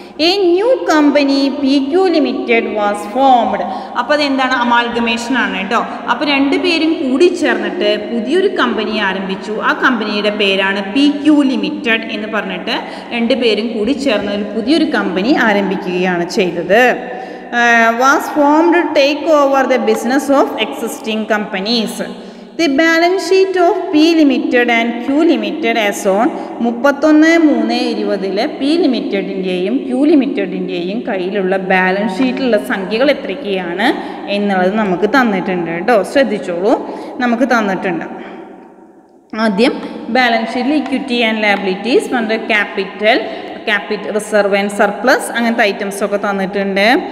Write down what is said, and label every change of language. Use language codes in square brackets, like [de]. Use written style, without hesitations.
[en] A new company P Q limited was formed. [ml] അപ്പോൾ അതെന്താണ്, അമാൽഗമേഷനാണ് കേട്ടോ. അപ്പോൾ രണ്ട് പേരും കൂടി ചേർന്നിട്ട് പുതിയൊരു കമ്പനി ആരംഭിച്ചു. ആ കമ്പനിയുടെ പേരാണ് പി ക്യു ലിമിറ്റഡ് എന്ന് പറഞ്ഞിട്ട് രണ്ട് പേരും കൂടി ചേർന്ന് ഒരു പുതിയൊരു കമ്പനി ആരംഭിക്കുകയാണ് ചെയ്തത്. [en] Was formed to take over the business of existing companies. The balance sheet of P Limited and Q Limited as on 31/3/2020 [ml] ലെ പി ലിമിറ്റഡിൻ്റെയും ക്യൂ ലിമിറ്റഡിൻ്റെയും കയ്യിലുള്ള ബാലൻസ് ഷീറ്റിലുള്ള സംഖ്യകൾ എത്രയ്ക്കാണ് എന്നുള്ളത് നമുക്ക് തന്നിട്ടുണ്ട് കേട്ടോ. ശ്രദ്ധിച്ചോളൂ, നമുക്ക് തന്നിട്ടുണ്ട്. ആദ്യം ബാലൻസ് ഷീറ്റിൽ ഇക്വിറ്റി ആൻഡ് ലാബിലിറ്റീസ് പറഞ്ഞ capital capital reserve and surplus അങ്ങനത്തെ ഐറ്റംസൊക്കെ തന്നിട്ടുണ്ട്.